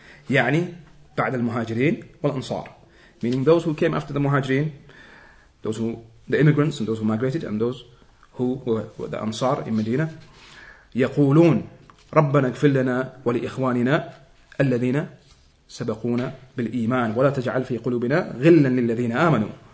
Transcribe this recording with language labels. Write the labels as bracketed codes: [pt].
[ar] يعني بعد المهاجرين والأنصار. [en] Meaning those who came after the muhajirin, those who, the immigrants and those who migrated, and those who were the Ansar in Medina. [ar] يقولون ربنا اغفر لنا ولإخواننا الذين سبقونا بالإيمان ولا تجعل في قلوبنا غلا للذين آمنوا.